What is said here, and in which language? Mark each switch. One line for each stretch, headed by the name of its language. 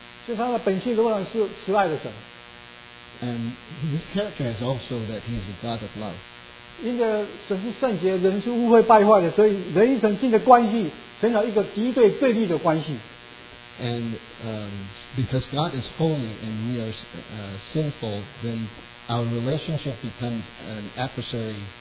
Chinese: 所以他的本性仍然是慈爱的神。
English: And his character is also that he is a God of love.
Chinese: 因着神是圣洁，人是污秽败坏的，所以人与神之间的关系，成了一个敌对对立的关系。
English: And because God is holy and we are sinful, then our relationship becomes an adversary.